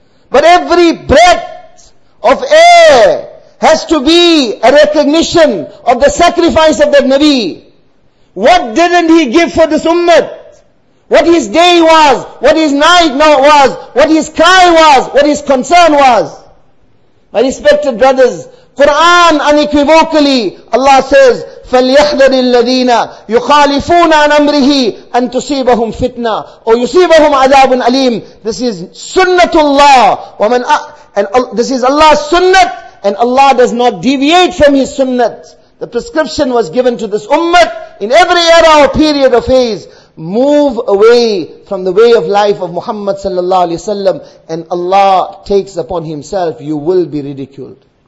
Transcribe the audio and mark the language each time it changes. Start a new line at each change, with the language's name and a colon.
English: But every breath of air has to be a recognition of the sacrifice of that Nabi. What didn't he give for this ummah? What his day was, what his night was, what his cry was, what his concern was. My respected brothers, Quran unequivocally, Allah says,
Arabic: فَلْيَحْذَرِ الَّذِينَ يُخَالِفُونَ عَنْ أَمْرِهِ أَنْ تُصِيبَهُمْ فِتْنَةً أَوْ يُصِيبَهُمْ عَذَابٌ أَلِيمٌ.
English: This is sunnatullah. This is Allah's sunnat, and Allah does not deviate from His sunnat. The prescription was given to this ummah in every era or period or phase. Move away from the way of life of Muhammad sallallahu alayhi wasallam, and Allah takes upon Himself, you will be ridiculed.